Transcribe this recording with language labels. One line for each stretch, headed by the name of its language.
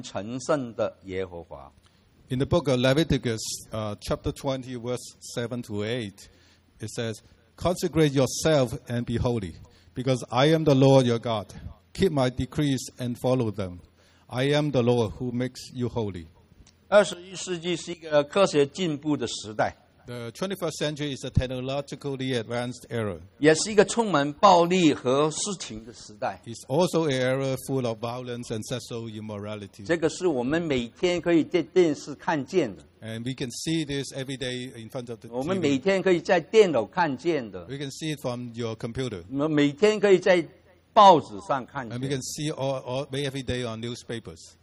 Chinese: 因为我是耶和华你们的上帝，你们要谨守遵行我的律例，我是教你们成圣的耶和华。
English: In the book of Leviticus, chapter 20, verse 7 to 8, it says, "Consecrate yourself and be holy, because I am the Lord your God. Keep my decrees and follow them. I am the Lord who makes you holy." 21st century is a
Chinese: 科学进步的时代。
English: The 21st century is a technologically advanced era.
Chinese: 也是一个充满暴力和色情的时代。
English: It's also an era full of violence and sexual immorality.
Chinese: 这个是我们每天可以在电视看见的。
English: And we can see this every day in front of the TV.
Chinese: 我们每天可以在电脑看见的。
English: We can see it from your computer.
Chinese: 我们每天可以在报纸上看见。
English: And we can see all every day on newspapers.